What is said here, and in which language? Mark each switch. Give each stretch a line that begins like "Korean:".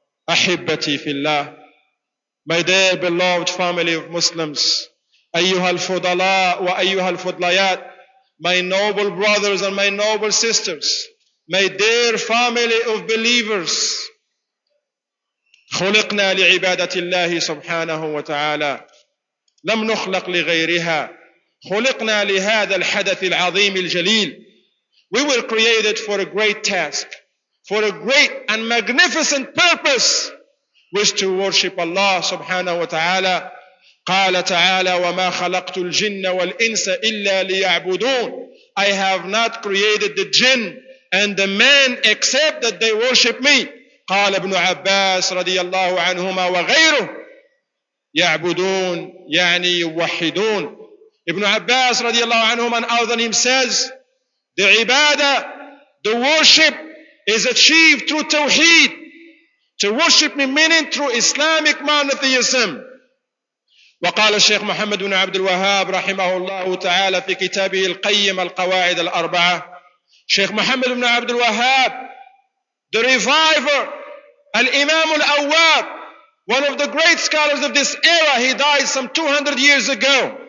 Arabic: أحبتي في الله,
English: my dear beloved family of Muslims,
Arabic: أيها الفضلاء وأيها الفضليات,
English: my noble brothers and my noble sisters, my dear family of believers,
Arabic: خلقنا لعبادة الله سبحانه وتعالى, لم نخلق لغيرها, خلقنا لهذا الحدث العظيم الجليل.
English: We were created for a great task, for a great and magnificent purpose, which to worship Allah subhanahu wa ta'ala.
Arabic: قال تعالى وما خلقت الجن والإنس إلا ليعبدون.
English: I have not created the jinn and the man except that they worship me.
Arabic: قال ابن عباس رضي الله عنهما وغيره, يعبدون يعني يوحدون.
English: Ibn Abbas radiallahu anhum and other him says, the ibadah, the worship is achieved through tawheed. To worship me meaning through Islamic monotheism.
Arabic: وقال الشيخ محمد بن عبد الوهاب رحمه الله تعالى في كتابه القيم القواعد الأربعة, الشيخ محمد بن عبد الوهاب,
English: the reviver,
Arabic: الإمام الأواب,
English: one of the great scholars of this era, he died some 200 years ago.